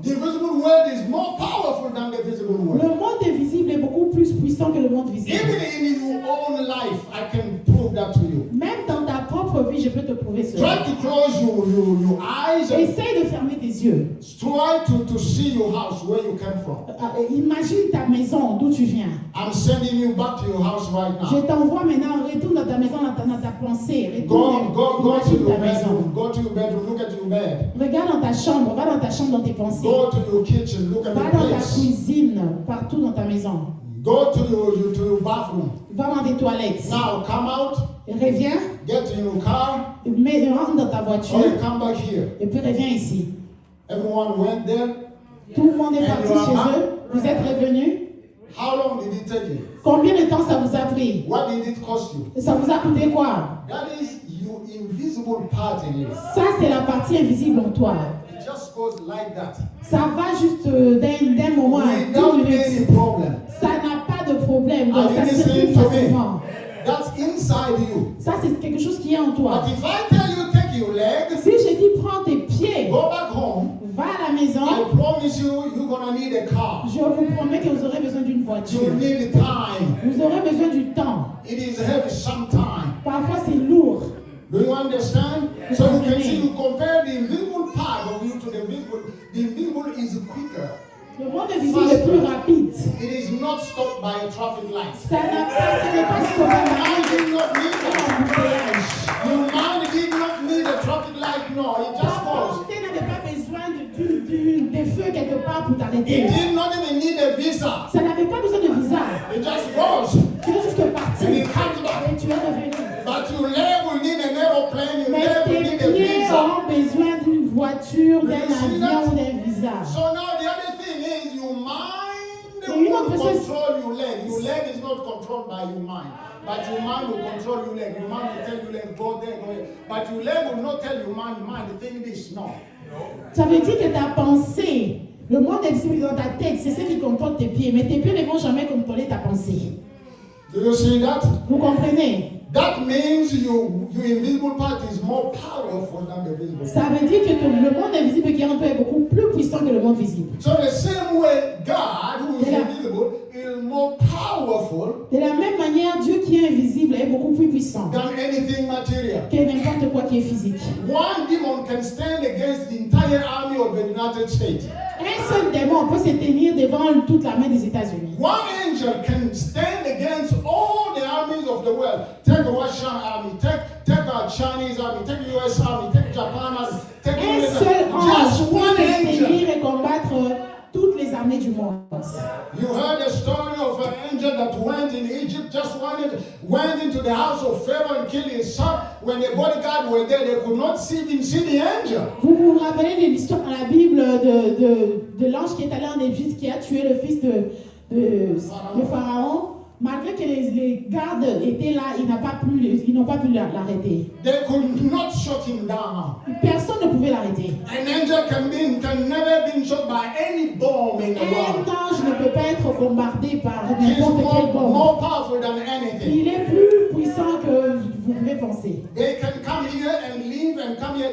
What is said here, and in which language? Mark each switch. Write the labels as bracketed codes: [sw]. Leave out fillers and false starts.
[en] The visible world is more powerful than the visible world. [fr] Le monde invisible est beaucoup plus puissant que le monde visible. [en] Even in your own life, I can prove that to you. [fr] Même dans ta propre vie, je peux te prouver cela. [en] Try to close your eyes. [fr] Essaye de fermer tes yeux. [en] Try to see your house where you came from. [fr] Imagine ta maison d'où tu viens. [en] I'm sending you back to your house right now. [fr] Je t'envoie maintenant, retourne dans ta maison, dans ta pensée, retourne. [en] Go to your bedroom, look at your bed. [fr] Regarde dans ta chambre, va dans ta chambre dans tes pensées. [en] Go to your kitchen, look at [fr] va [en] your [fr] Ta cuisine, partout dans ta maison. [en] Go to your bathroom. [fr] Va dans tes toilettes. [en] Now come out. [fr] Reviens. [en] Get in your car. [fr] Mais rentre dans ta voiture. [en] Or you come back here. [fr] Et puis reviens ici. [en] Everyone went there. [fr] Tout le monde est parti chez eux. Vous êtes revenus. [en] How long did it take you? [fr] Combien de temps ça vous a pris? [en] What did it cost you? [fr] Ça vous a coûté quoi? [en] That is your invisible part in you. [fr] Ça c'est la partie invisible en toi. [en] It just goes like that. [fr] Ça va juste d'un moment à tout le monde. Ça n'a pas de problème. Donc ça se fait facilement. [en] That's inside you. [fr] Ça c'est quelque chose qui est en toi. [en] But if I tell you take your leg, [fr] si je dis prends tes pieds, [en] go back home. [fr] Va à la maison. [en] I promise you, you're gonna need a car. [fr] Je vous promets que vous aurez besoin d'une voiture. [en] You need time. [fr] Vous aurez besoin du temps. [en] It is heavy sometimes. [fr] Parfois c'est lourd. [en] Do you understand? Yes. So you can see you compare the invisible part of you to the visible. The invisible is quicker. [fr] Le monde visible est plus rapide. [en] It is not stopped by a traffic light. [fr] Ça n'a pas, ça n'est pas stoppé. [en] Your mind did not need a traffic light. Your mind did not need a traffic light. No, it just goes. [fr] Des feux quelque part pour t'arrêter. [en] It did not even need a visa. [fr] Ça n'avait pas besoin de visa. [en] It just goes. [fr] Tu es juste parti. [en] And it comes back. [fr] Et tu es revenu. [en] But your leg will need an aeroplane. Your [fr] mais [en] leg will need a visa. [fr] Auront besoin d'une voiture, d'un avion, d'un visa. [en] So now the other thing is your mind will control your leg. Your leg is not controlled by your mind. But your mind will control your leg. Your mind will tell your leg, go there, go there. But your leg will not tell your mind, think this, no. [fr] Ça veut dire que ta pensée, le monde invisible dans ta tête, c'est ce qui contrôle tes pieds, mais tes pieds ne vont jamais contrôler ta pensée. [en] Do you see that? [fr] Vous comprenez? [en] That means your invisible part is more powerful than the visible part. [fr] Ça veut dire que le monde invisible qui est en toi est beaucoup plus puissant que le monde visible. [en] So the same way God, who is invisible, is more powerful. [fr] De la même manière, Dieu qui est invisible est beaucoup plus puissant. [en] Than anything material. [fr] Que n'importe quoi qui est physique. [en] One demon can stand against the entire army of the United States. [fr] Un seul démon peut se tenir devant toute l'armée des États-Unis. [en] One angel can stand against all the armies of the world. Take the Russian army, take our Chinese army, take the US army, take Japan army, take [fr] un seul ange [en] just one [fr] peut [en] angel. [fr] Se tenir et combattre toutes les armées du monde. [en] You heard the story of an angel that went in Egypt, just one angel. the house of Pharaoh and killed his son. When the bodyguard were there, they could not even see the angel. [fr] Vous vous rappelez de l'histoire dans la Bible de l'ange qui est allé en Égypte qui a tué le fils de Pharaon? Malgré que les gardes étaient là, ils n'ont pas pu l'arrêter. [en] They could not shut him down. [fr] Personne ne pouvait l'arrêter. [en] An angel can never be shot by any bomb in the world. [fr] Un ange ne peut pas être bombardé par n'importe quelle bombe. [en] More powerful than anything. [fr] Il est plus puissant que vous pouvez penser. [en] They can come here and leave and come here.